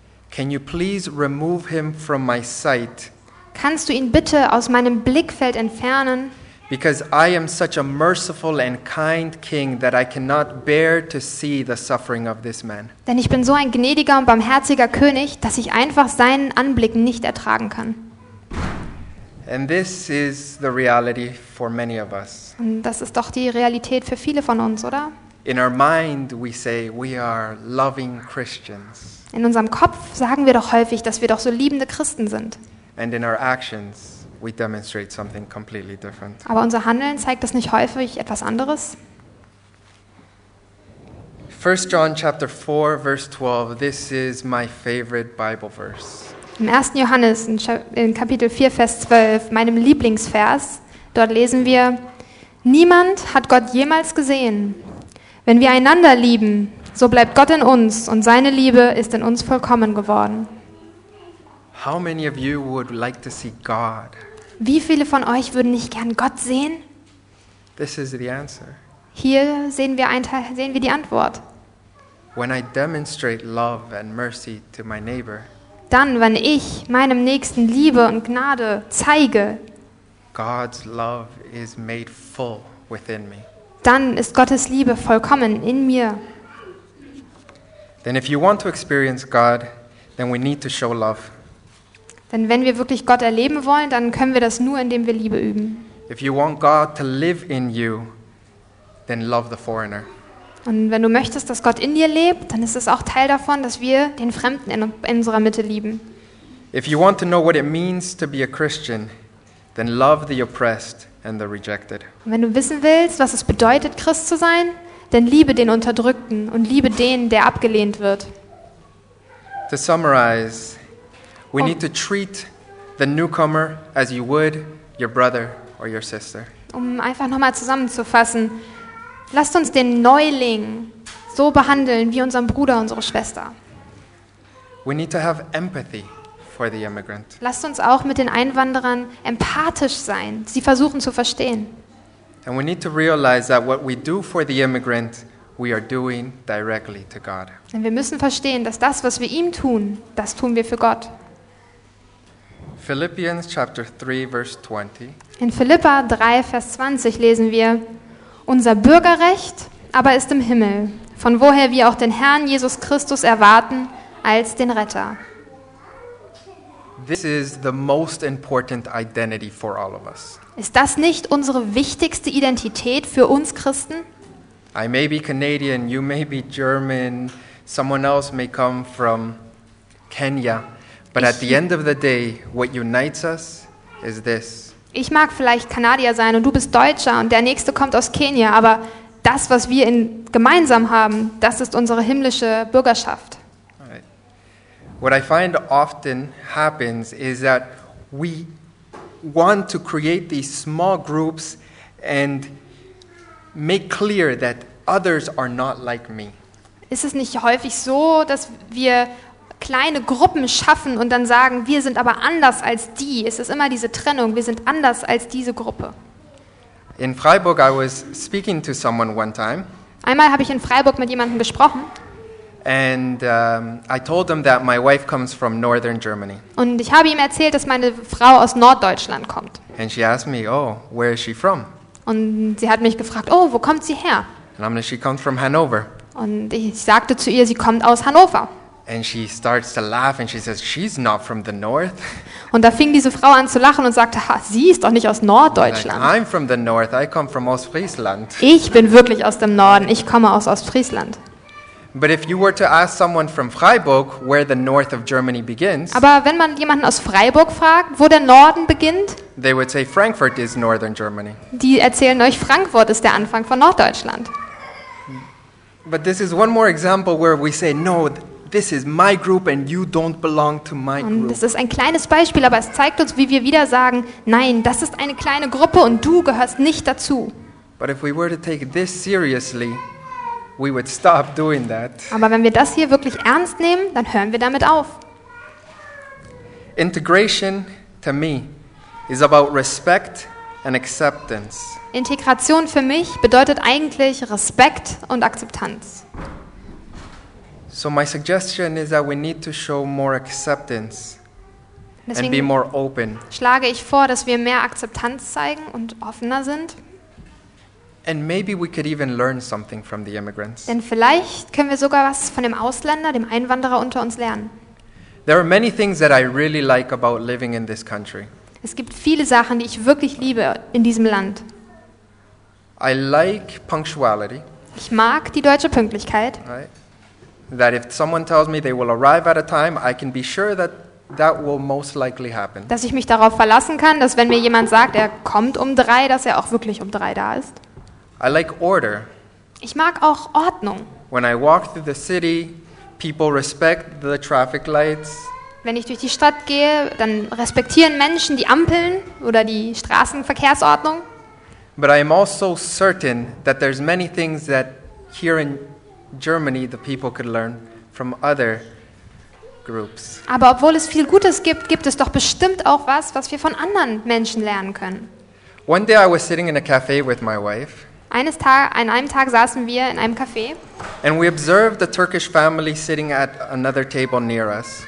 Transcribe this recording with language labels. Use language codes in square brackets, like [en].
[en] Can you please remove him from my sight? [de] Kannst du ihn bitte aus meinem Blickfeld entfernen? [en] Because I am such a merciful and kind king that I cannot bear to see the suffering of this man. [de] Denn ich bin so ein gnädiger und barmherziger König, dass ich einfach seinen Anblick nicht ertragen kann. [en] And this is the reality for many of us. [de] Und das ist doch die Realität für viele von uns, oder? [en] In our mind we say we are loving Christians. [de] In unserem Kopf sagen wir doch häufig, dass wir doch so liebende Christen sind. [en] And in our actions we demonstrate something completely different. [de] Aber unser Handeln zeigt das nicht häufig etwas anderes? [en] 1 John chapter 4 verse 12, this is my favorite Bible verse. [de] Im 1. Johannes in Kapitel 4 Vers 12, meinem Lieblingsvers, dort lesen wir: Niemand hat Gott jemals gesehen. Wenn wir einander lieben, so bleibt Gott in uns und seine Liebe ist in uns vollkommen geworden. [en] How many of you would like to see God? [de] Wie viele von euch würden nicht gern Gott sehen? [en] This is the answer. [de] Hier sehen wir ein Teil, sehen wir die Antwort. [en] When I demonstrate love and mercy to my neighbor. [de] Dann, wenn ich meinem Nächsten Liebe und Gnade zeige. [en] God's love is made full within me. [de] Dann ist Gottes Liebe vollkommen in mir. [en] Then if you want to experience God, then we need to show love. [de] Denn wenn wir wirklich Gott erleben wollen, dann können wir das nur, indem wir Liebe üben. [en] If you want God to live in you, then love the foreigner. [de] Und wenn du möchtest, dass Gott in dir lebt, dann ist es auch Teil davon, dass wir den Fremden in unserer Mitte lieben. [en] If you want to know what it means to be a Christian, then love the oppressed and the rejected. [de] Und wenn du wissen willst, was es bedeutet, Christ zu sein, dann liebe den Unterdrückten und liebe den, der abgelehnt wird. [en] To summarize, we need to treat the newcomer as you would your brother or your sister. [de] Um einfach nochmal zusammenzufassen, lasst uns den Neuling so behandeln wie unseren Bruder, unsere Schwester. [en] We need to have empathy for the immigrant. [de] Lasst uns auch mit den Einwanderern empathisch sein, sie versuchen zu verstehen. [en] And we need to realize that what we do for the immigrant, we are doing directly to God. [de] Denn wir müssen verstehen, dass das, was wir ihm tun, das tun wir für Gott. [en] Philippians chapter 3 verse 20. [de] In Philippa 3 Vers 20 lesen wir: Unser Bürgerrecht aber ist im Himmel, von woher wir auch den Herrn Jesus Christus erwarten als den Retter. [en] This is the most important identity for all of us. [de] Ist das nicht unsere wichtigste Identität für uns Christen? [en] I may be Canadian, you may be German, someone else may come from Kenya, but at the end of the day, what unites us is this. [de] Ich mag vielleicht Kanadier sein und du bist Deutscher und der Nächste kommt aus Kenia, aber das, was wir gemeinsam haben, das ist unsere himmlische Bürgerschaft. [en] What I find often happens is that we want to create these small groups and make clear that others are not like me. [de] Ist es nicht häufig so, dass wir kleine Gruppen schaffen und dann sagen, wir sind aber anders als die? Es ist immer diese Trennung, wir sind anders als diese Gruppe. [en] In Freiburg I was speaking to someone one time. [de] Einmal habe ich in Freiburg mit jemandem gesprochen. [en] And I told him that my wife comes from northern Germany. [de] Und ich habe ihm erzählt, dass meine Frau aus Norddeutschland kommt. [en] And she asked me, "Oh, where is she from?" [de] Und sie hat mich gefragt, "Oh, wo kommt sie her?" [en] And I'm like, "She comes from Hanover." [de] Und ich sagte zu ihr, sie kommt aus Hannover. [en] And she starts to laugh and she says, "She's not from the north." [de] Und da fing diese Frau an zu lachen und sagte, "Ha, sie ist doch nicht aus Norddeutschland." [en] Like, "I'm from the north. I come from Ostfriesland." [de] Ich bin wirklich aus dem Norden. Ich komme aus Ostfriesland. [en] But if you were to ask someone from Freiburg where the north of Germany begins, [de] aber wenn man jemanden aus Freiburg fragt, wo der Norden beginnt, [en] they would say Frankfurt is northern Germany. [de] Die erzählen euch, Frankfurt ist der Anfang von Norddeutschland. [en] But this is one more example where we say, "No, this is my group and you don't belong to my group." [de] Und das ist ein kleines Beispiel, aber es zeigt uns, wie wir wieder sagen, nein, das ist eine kleine Gruppe und du gehörst nicht dazu. [en] But if we were to take this seriously, we would stop doing that. [de] Aber wenn wir das hier wirklich ernst nehmen, dann hören wir damit auf. [en] Integration to me is about respect and acceptance. [de] Integration für mich bedeutet eigentlich Respekt und Akzeptanz. [en] So my suggestion is that we need to show more acceptance. [de] Deswegen [en] and be more open. [de] Schlage ich vor, dass wir mehr Akzeptanz zeigen und offener sind. [en] And maybe we could even learn something from the immigrants. [de] Denn vielleicht können wir sogar was von dem Ausländer, dem Einwanderer unter uns lernen. [en] There are many things that I really like about living in this country. [de] Es gibt viele Sachen, die ich wirklich liebe in diesem Land. [en] I like punctuality. [de] Ich mag die deutsche Pünktlichkeit. [en] Right. That if someone tells me they will arrive at a time, I can be sure that that will most likely happen. [de] Dass ich mich darauf verlassen kann, dass wenn mir jemand sagt, er kommt um drei, dass er auch wirklich um drei da ist. [en] I like order. [de] Ich mag auch Ordnung. [en] When I walk through the city, people respect the traffic lights. [de] Wenn ich durch die Stadt gehe, dann respektieren Menschen die Ampeln oder die Straßenverkehrsordnung. [en] But I am also certain that there's many things that here in Germany the people could learn from other groups. [de] Aber obwohl es viel Gutes gibt, gibt es doch bestimmt auch was, was wir von anderen Menschen lernen können. [en] One day I was sitting in a cafe with my wife. [de] An einem Tag saßen wir in einem Café. [en] And we observed a Turkish family sitting at another table near us.